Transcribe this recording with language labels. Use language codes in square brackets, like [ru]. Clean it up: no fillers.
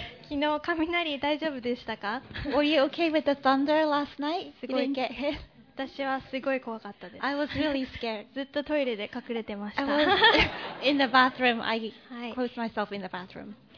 [ja] 昨日雷大丈夫でしたか? [en] Were you okay with the thunder last night? You didn't get hit? [ja] 私はすごい怖かったです。 [en] I was really scared. [ja] ずっとトイレで隠れてました。 [en] I was in the bathroom. I closed myself in the bathroom.